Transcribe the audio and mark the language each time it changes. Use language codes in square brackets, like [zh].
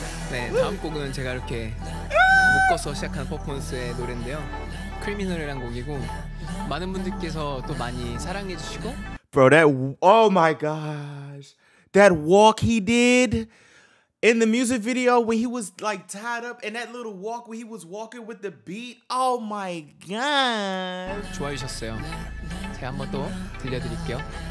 [ko] 네, 다음 곡은 제가 이렇게 묶어서 시작한 퍼포먼스의 노래인데요. 크리미널이란 곡이고 많은 분들께서 또 많이 사랑해 주시고 [en] Bro, that oh my gosh. That walk he did In the music video, when he was like tied up and that little walk when he was walking with the beat. Oh my god. [ko] 좋아하셨어요. 제가 한번 또 들려드릴게요.